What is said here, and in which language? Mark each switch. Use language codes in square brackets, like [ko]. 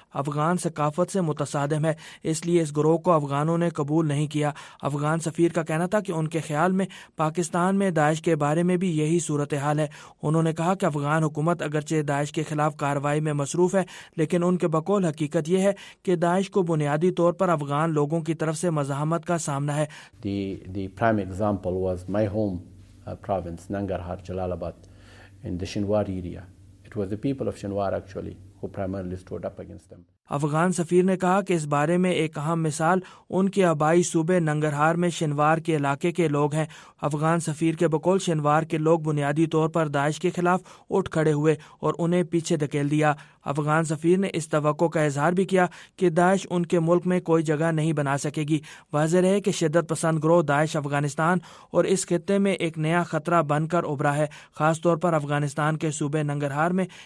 [ur] افغان ثقافت سے متصادم ہے، اس لیے اس گروہ کو افغانوں نے قبول نہیں کیا۔ افغان سفیر کا کہنا تھا کہ ان کے خیال میں پاکستان میں داعش کے بارے میں بھی یہی صورتحال ہے۔ انہوں نے کہا کہ افغان حکومت اگرچہ داعش کے خلاف کارروائی میں مصروف ہے، لیکن ان کے بقول حقیقت یہ ہے کہ داعش کو بنیادی طور پر افغان لوگوں کی طرف سے مزاحمت کا سامنا ہے۔ [en] The prime example was my home province Nangarhar Jalal Abad in the Shinwar area. It was the people of Shinwar actually who primarily stood up against them. [ur] Afghan سفیر نے کہا کہ اس بارے میں ایک اہم مثال ان کے آبائی صوبے ننگرہار میں شنوار کے علاقے کے لوگ ہیں۔ افغان سفیر کے بقول شنوار کے لوگ بنیادی طور پر داعش کے خلاف اٹھ کھڑے ہوئے اور انہیں پیچھے دھکیل دیا۔ افغان سفیر نے اس توقع کا اظہار بھی کیا کہ داعش ان کے ملک میں کوئی جگہ نہیں بنا سکے گی۔ واضح ہے کہ شدت پسند گروہ داعش افغانستان اور اس خطے میں ایک نیا خطرہ بن کر ابھرا ہے، خاص طور پر افغانستان کے صوبے ننگرہار میں